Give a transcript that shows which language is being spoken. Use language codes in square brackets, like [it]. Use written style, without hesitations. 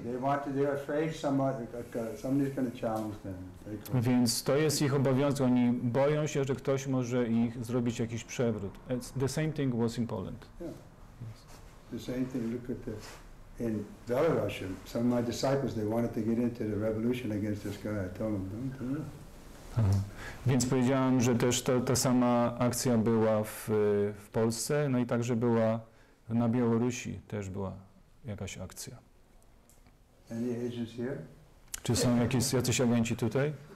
[en] They're afraid somebody's going to challenge them. [pl] Więc to jest ich obowiązek. Oni boją się, że ktoś może ich zrobić jakiś przewrót. [en] It's the same thing was in Poland. Yeah. The same thing, look at this. In Belarus, some of my disciples, they wanted to get into the revolution against this guy. I told them, don't do it. [pl] Więc powiedziałem, że też ta sama akcja była w Polsce, no i także była na Białorusi, też była jakaś akcja. [en] Any agents here? [pl] Czy są jacyś agenci tutaj?